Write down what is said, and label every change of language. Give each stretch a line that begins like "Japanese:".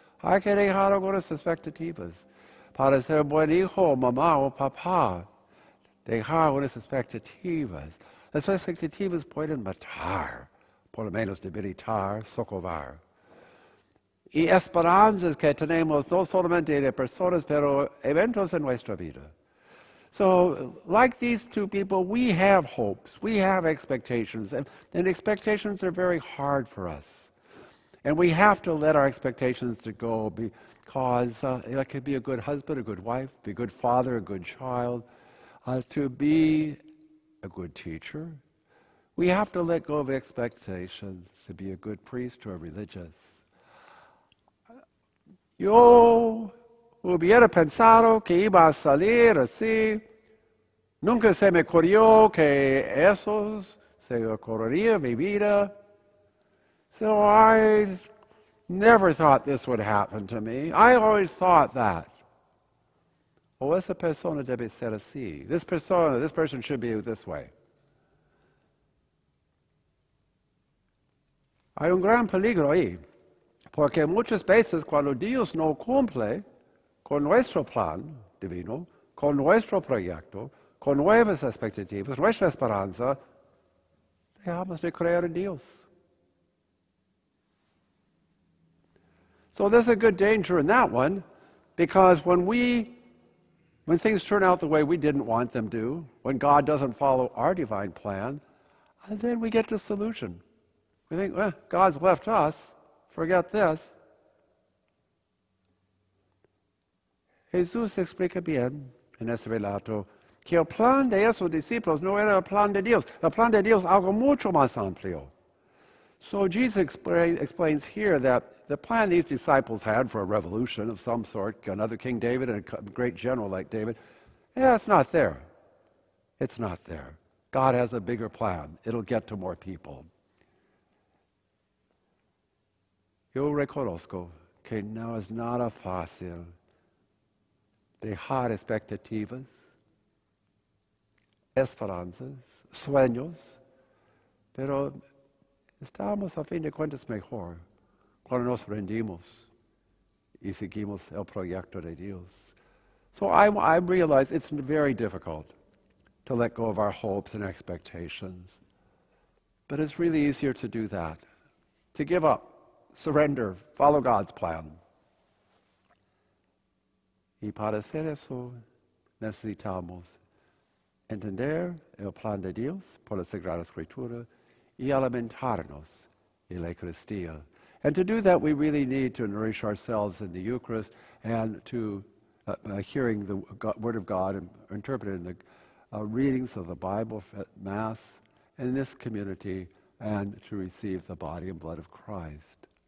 Spanish: Hay que dejar algunas expectativas para ser buen hijo, mamá o papá. Dejar algunas expectativas. Las expectativas pueden matar, por lo menos debilitar, socavar. Y esperanzas que tenemos no solamente de personas, pero eventos en nuestra vida.
English: So, like these two people, we have hopes, we have expectations, and expectations are very hard for us. And we have to let our expectations to go because I could be a good husband, a good wife, be a good father, a good child, to be a good teacher. We have to let go of expectations to be a good priest or a religious.
Spanish: Yo hubiera pensado que iba a salir así. Nunca se me ocurrió que eso se ocurriría en mi vida.
English: So I never thought this would happen to me. I always thought that.
Spanish: O esa persona debe ser así.
English: This person should be this way.
Spanish: Hay un gran peligro ahí, porque muchas veces cuando Dios no cumple con nuestro plan divino, con nuestro proyecto, con nuevas expectativas, nuestra esperanza, dejamos de creer en Dios.
English: So there's a good danger in that one, because when things turn out the way we didn't want them to, when God doesn't follow our divine plan, then we get disillusioned. We think, well, God's left us, forget this.
Spanish: Jesús explica bien en ese relato que el plan de esos discípulos no era el plan de Dios. El plan de Dios es algo mucho más amplio.
English: So Jesus explains here that the plan these disciples had for a revolution of some sort, another King David and a great general like David, it's not there. It's not there. God has a bigger plan. It'll get to more people.
Spanish: Yo reconozco que no es nada fácil dejar expectativas, esperanzas, sueños, pero estamos a fin de cuentas mejor cuando nos rendimos y seguimos el proyecto de Dios.
English: So I realize it's very difficult to let go of our hopes and expectations, but it's really easier to do that, to give up. Surrender, follow God's plan.
Spanish: Y para hacer eso, necesitamos entender el plan de Dios por la Sagrada Escritura y alimentarnos en la Eucaristía.
English: And to do that, we really need to nourish ourselves in the Eucharist and to hearing the Word of God and interpreting the readings of the Bible at Mass in this community and to receive the Body and Blood of Christ.